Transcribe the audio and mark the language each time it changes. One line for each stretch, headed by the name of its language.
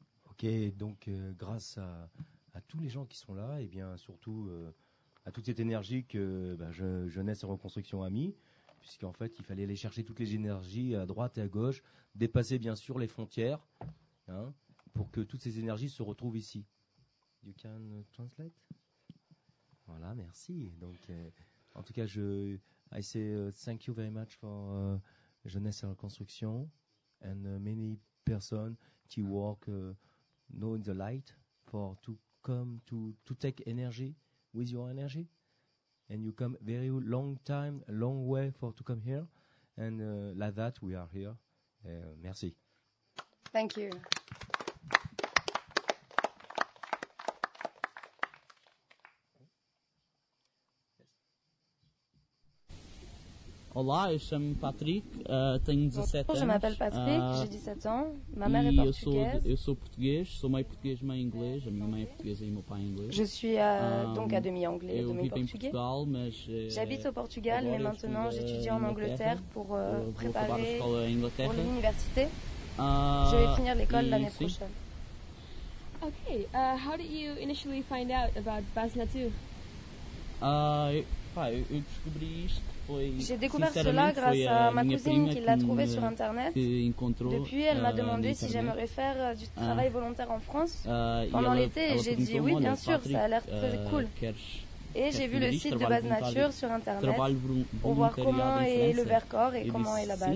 French: Ok, donc grâce à tous les gens qui sont là, et bien surtout à toute cette énergie que Jeunesse et Reconstruction a mis, puisqu'en fait, il fallait aller chercher toutes les énergies à droite et à gauche, dépasser bien sûr les frontières, hein, pour que toutes ces énergies se retrouvent ici.
English: You can translate?
French: Voilà, merci. Donc, en tout cas,
English: I say thank you very much for Jeunesse et Reconstruction and many persons qui work know in the light for to come to take energy with your energy. And you come very long time, long way for to come here. And like that, we are here.
French: Merci.
English: Thank you.
Spanish: Hola,
French: je suis Patrick,
Portuguese: tenho
French: 17 ans. Je m'appelle Patrick, j'ai 17 ans. Ma mère est portugaise.
Portuguese: Eu sou português, sou meio português, meio inglês. A minha mãe é portuguesa e meu pai é inglês.
French: Je suis donc à demi anglais, demi portugais.
Portuguese: Eu vivo em Portugal, mas
French: j'habite au Portugal, mais maintenant j'étudie en Angleterre pour préparer pour l'université. Je vais finir l'école l'année prochaine.
English: Okay, how did you initially find out about Basnatu?
Portuguese: Eu descobri isto.
French: J'ai découvert cela grâce à ma cousine qui l'a trouvé sur Internet. Depuis, elle m'a demandé si j'aimerais faire du travail volontaire en France pendant l'été. Et j'ai dit oui, bien sûr, ça a l'air très cool. Et j'ai vu le site de Base Nature sur Internet pour voir comment est le Vercors et comment est la base.